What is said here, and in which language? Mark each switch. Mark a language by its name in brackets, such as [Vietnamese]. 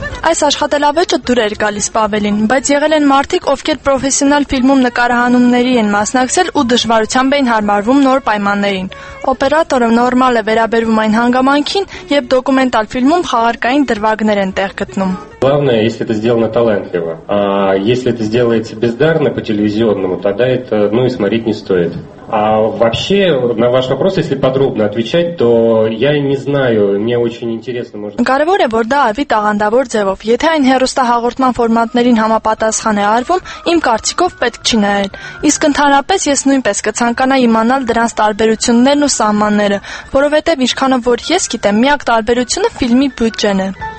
[Armenian] Այս աշխատելավեճը դուր էր գալիս Պավելին, բայց եղել են մարդիկ, ովքեր պրոֆեսիոնալ ֆիլմում նկարահանումների են մասնակցել ու դժվարությամբ էին հարմարվում նոր պայմաններին։ Օպերատորը նորմալ է վերաբերվում այն հանգամանքին, երբ դոկումենտալ ֆիլմում խաղարկային դրվագներ են տեղ գտնում։ [Russian] Главное, если это сделано талантливо. А если это сделается бездарно по телевизионному, тогда это, ну, и смотреть не стоит. А вообще, на ваш вопрос, если подробно отвечать, то я не знаю, мне очень интересно, может. [Armenian] Կարևոր է, որ դա ավի տաղանդավոր ձևով, եթե այն հեռուստահաղորդման ֆորմատներին համապատասխան է արվում, իմ կարծիքով պետք չի նայել։ Իսկ ընդհանրապես ես նույնպես կցանկանայի իմանալ դրանց տարբերություններն ու սահմանները, որովհետև իշխանով որ ես գիտեմ, միակ տարբերությունը ֆիլմի բյուջեն է։